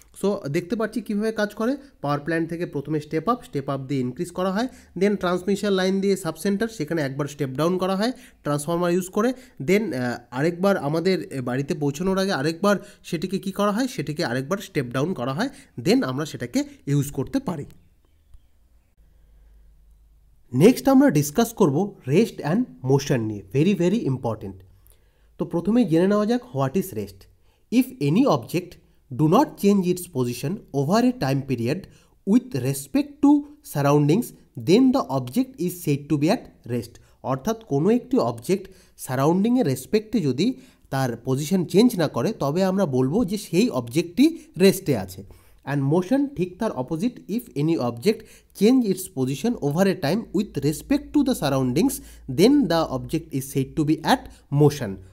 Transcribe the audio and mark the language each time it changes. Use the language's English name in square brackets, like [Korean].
[Bangla] So দেখতে পাচ্ছি কীভাবে কাজ করে, পাওয়ার প্ল্যান্ট থেকে প্রথমে স্টেপ আপ দিয়ে ইনক্রিজ করা হয়, দেন ট্রান্সমিশন লাইন দিয়ে সাবসেন্টার, সেখানে একবার স্টেপ ডাউন করা হয় ট্রান্সফরমার ইউজ করে, দেন আরেকবার আমাদের বাড়িতে পৌঁছানোর আগে আরেকবার সেটিকে কী করা হয়, সেটিকে আরেকবার স্টেপ ডাউন করা হয়, দেন আমরা সেটাকে ইউজ করতে পারি। নেক্সট আমরা ডিসকাস করব রেস্ট অ্যান্ড মোশন নিয়ে, ভেরি ভেরি ইম্পর্টেন্ট। তো প্রথমে জেনে নেওয়া যাক [English] What is rest. If any object do not change its position over a time period with respect to surroundings, then the object is said to be at rest. [Bangla] অর্থাৎ কোনো একটি object সারাউন্ডিংয়ের রেসপেক্টে যদি তার পজিশন চেঞ্জ না করে, তবে আমরা বলবো যে সেই অবজেক্টটি রেস্টে আছে। [English] and motion [Bangla] ঠিক তার opposite, [English] If any object change its position over a time with respect to the surroundings, then the object is said to be at motion.